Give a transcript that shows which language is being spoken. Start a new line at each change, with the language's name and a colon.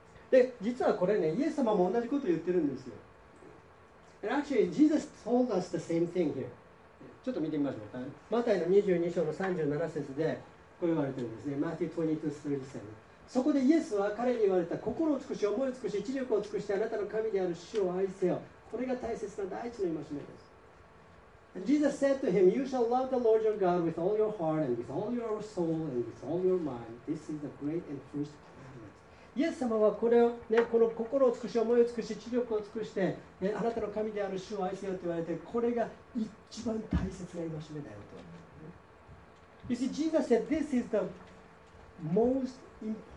Japanese: で、実はこれね、イエス様も同じことを言ってるんですよ。
English: And actually, Jesus told us the same thing here.
Japanese: ちょっと見てみましょうか。マタイの22章の37節で、こう言われてるんですね。マーティ22、37。そこでイエスは彼に言われた。心を尽くし、思いを尽くし、知力を尽くして、あなたの神である主を愛せよ。これが大切な第一の戒めです。
English: And Jesus said to him, You shall love the Lord your God with all your heart and with all your soul and with all your mind. This is the great and first commandment.
Japanese: イエス様はこれを、ね、この心を尽くし、思いを尽くし、知力を尽くして、ね、あなたの神である主を愛せよと言われて、これが一番大切な戒めだよと。
English: You see, Jesus said, this is the most important command.